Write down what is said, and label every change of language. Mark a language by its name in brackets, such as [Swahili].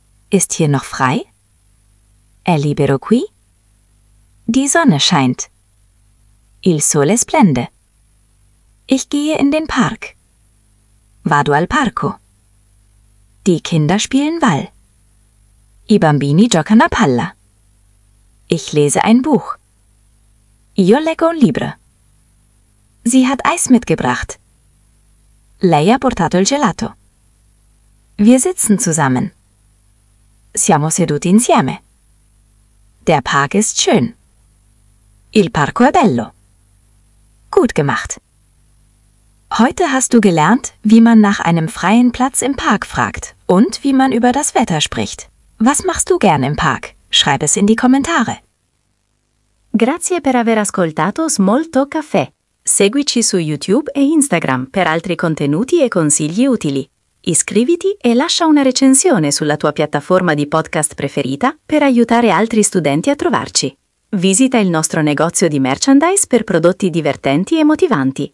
[German] Ist hier noch frei? [Italian] È libero qui? [German] Die Sonne scheint. [Italian] Il sole splende. [German] Ich gehe in den Park. [Italian] Vado al parco. [German] Die Kinder spielen Ball. [Italian] I bambini giocano a palla. [German] Ich lese ein Buch. [Italian] Io leggo un libro. [German] Sie hat Eis mitgebracht. [Italian] Lei ha portato il gelato. [German] Wir sitzen zusammen. [Italian] Siamo seduti insieme. [German] Der Park ist schön. [Italian] Il parco è bello. [German] Gut gemacht. Heute hast du gelernt, wie man nach einem freien Platz im Park fragt und wie man über das Wetter spricht. Was machst du gern im Park? Schreib es in die Kommentare. [Italian] Grazie per aver ascoltato Small Talk Café. Seguici su YouTube e Instagram per altri contenuti e consigli utili. Iscriviti e lascia una recensione sulla tua piattaforma di podcast preferita per aiutare altri studenti a trovarci. Visita il nostro negozio di merchandise per prodotti divertenti e motivanti.